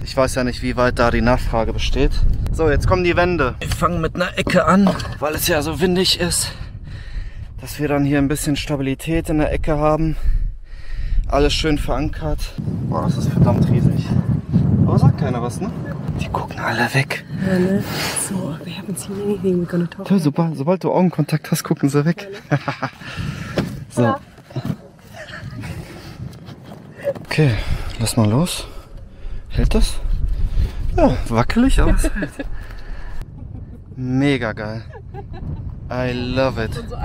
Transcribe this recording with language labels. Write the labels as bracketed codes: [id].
[de] Ich weiß ja nicht, wie weit da die Nachfrage besteht. So, jetzt kommen die Wände. Wir fangen mit einer Ecke an, weil es ja so windig ist. Dass wir dann hier ein bisschen Stabilität in der Ecke haben. Alles schön verankert. Boah, das ist verdammt riesig. Aber sagt keiner was, ne? Die gucken alle weg. Ja, ne? [en] So, we haven't seen anything, we're gonna talk. [de] Ja, super, sobald du Augenkontakt hast, gucken sie weg. Ja, ne? So. Ja. Okay, lass mal los. Hält das? Ja, wackelig aus. Mega geil. [en] I love it.